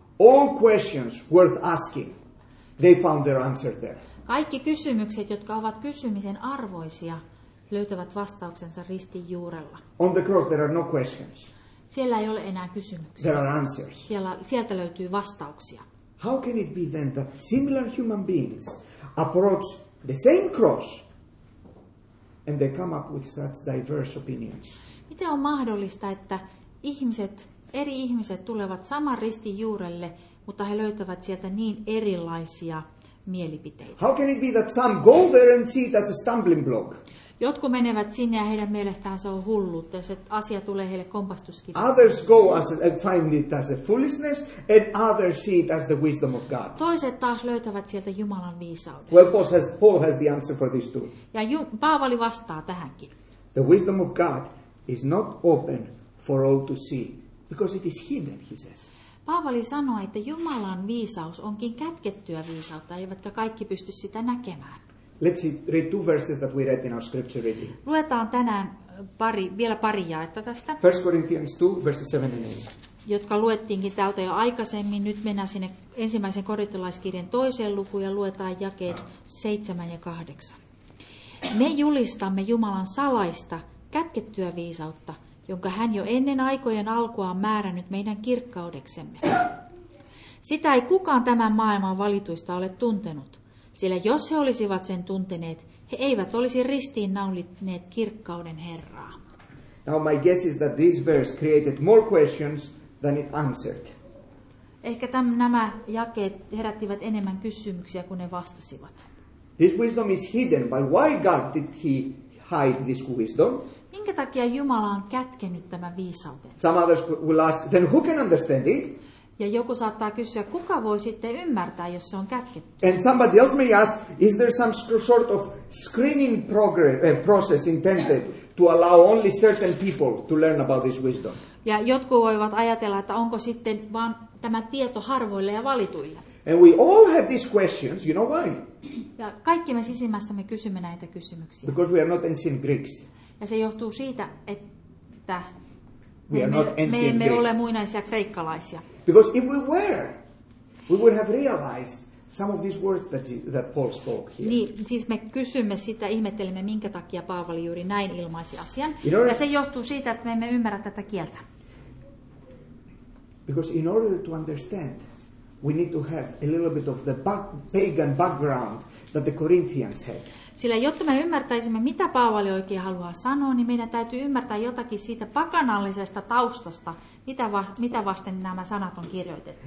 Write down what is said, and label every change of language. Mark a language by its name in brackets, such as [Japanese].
[English] All questions worth asking, they found their answer there. [Finnish] Kaikki kysymykset, jotka ovat kysymisen arvoisia, löytävät vastauksensa ristin juurella. [English] On the cross there are no questions. [Finnish] Siellä ei ole enää kysymyksiä. [English] There are answers. [Finnish] Sieltä löytyy vastauksia. [English] How can it be then that similar human beings approach the same cross and they come up with such diverse opinions? [Finnish] Miten on mahdollista, että eri ihmiset tulevat saman ristin juurelle, mutta he löytävät sieltä niin erilaisia mielipiteitä? [English] How can it be that some go there and see it as a stumbling block? [Finnish] Jotkut menevät sinne ja heidän mielestään se on hulluutta, se asia tulee heille kompastuskiveksi. [English] Others go as find it as a foolishness and others see it as the wisdom of God. [Finnish] Toiset taas löytävät sieltä Jumalan viisauden. [English] Well, Paul has the answer for this too. [Finnish] Ja Paavali vastaa tähänkin. [English] The wisdom of God is not open for all to see because it is hidden, he says. [Finnish] Paavali sanoi, että Jumalan viisaus onkin kätkettyä viisautta, eivätkä kaikki pysty sitä näkemään. [English] Let's read two verses that we read in our scripture reading. [Finnish] Luetaan tänään vielä pari jaetta tästä. [English] 1 Corinthians 2, verses 7 and 8. [Finnish] Jotka luettiinkin täältä jo aikaisemmin. Nyt mennään sinne ensimmäisen korintolaiskirjan toiseen lukuun ja luetaan jakeet 7 ja 8. Me julistamme Jumalan salaista, kätkettyä viisautta, jonka hän jo ennen aikojen alkua on määrännyt meidän kirkkaudeksemme. Sitä ei kukaan tämän maailman valituista ole tuntenut. Sillä jos he olisivat sen tunteneet, he eivät olisi ristiinnaulitneet kirkkauden Herraa. [English] Now my guess is that this verse created more questions than it answered. [Finnish] Ehkä nämä jakeet herättivät enemmän kysymyksiä kuin ne vastasivat. [English] This wisdom is hidden, but why God did he hide this wisdom? [Finnish] Minkä takia Jumala on kätkenyt tämän viisauden? [English] Some others will ask, then who can understand it? [Finnish] Ja joku saattaa kysyä, kuka voi sitten ymmärtää, jos se on kätketty. [English] And somebody else may ask, is there some sort of screening process intended to allow only certain people to learn about this wisdom? [Finnish] Ja jotkut voivat ajatella, että onko sitten vaan tämä tieto harvoille ja valituille. [English] And we all have these questions, you know why? [Finnish] Ja kaikki me sisimmässämme kysymme näitä kysymyksiä. [English] Because we are not ancient Greeks. [Finnish] Ja se johtuu siitä, että me emme ole muinaisia kreikkalaisia. [English] Because if we were, we would have realized some of these words that Paul spoke here. [Finnish] Niin, siis me kysymme sitä, ihmettelemme, minkä takia Paavali juuri näin ilmaisi asian. Ja se johtuu siitä, että me emme ymmärrä tätä kieltä. [English] Because in order to understand, we need to have a little bit of the pagan background that the Corinthians had. [Finnish] Sillä jotta me ymmärtäisimme, mitä Paavali oikein haluaa sanoa, niin meidän täytyy ymmärtää jotakin siitä pakanallisesta taustasta, mitä vasten nämä sanat on kirjoitettu.